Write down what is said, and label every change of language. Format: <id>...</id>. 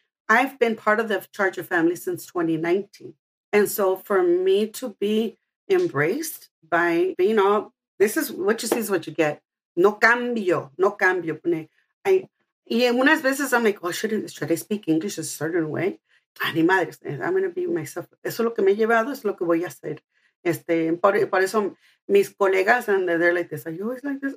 <en>I've been part of the Charger family since 2019. And so for me to be embraced by being all, this is what you see is what you get.</en> <es>No cambio, no cambio. Y unas veces</es> <en>I'm like, oh, should I speak English a certain way?</en> <es>Ni madres,</es> <en>I'm going to be myself.</en> <es>Eso es lo que me he llevado, es lo que voy a hacer. Por eso mis colegas,</es> <en>and they're like this. Are you always like this?</en>